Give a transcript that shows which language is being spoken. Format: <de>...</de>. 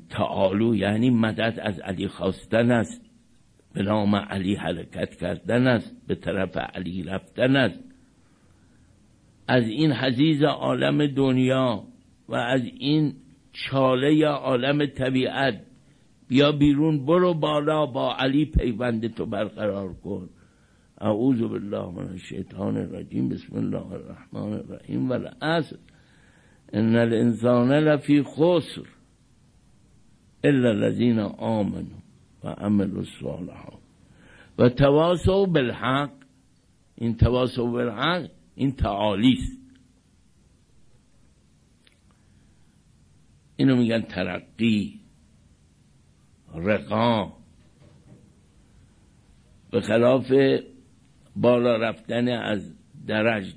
<fa>تعالو یعنی مدد از علی خواستن است، به نام علی حرکت کردن است، به طرف علی رفتن است. از این حزیز عالم دنیا و از این چاله یا عالم طبیعت بیا بیرون، برو بالا، با علی پیوند تو برقرار کن.</fa> <ar>اعوذ بالله من الشیطان الرجیم، بسم الله الرحمن الرحیم. والعصر ان الانسان لفی خسر الا الذين آمنوا وعملوا الصالحات وتواصوا بالحق.</ar> <fa>این</fa> <ar>تواصوا بالحق</ar> <fa>این تعالی است، اینو میگن ترقی، رقا، به خلاف بالا رفتن از درج.</fa>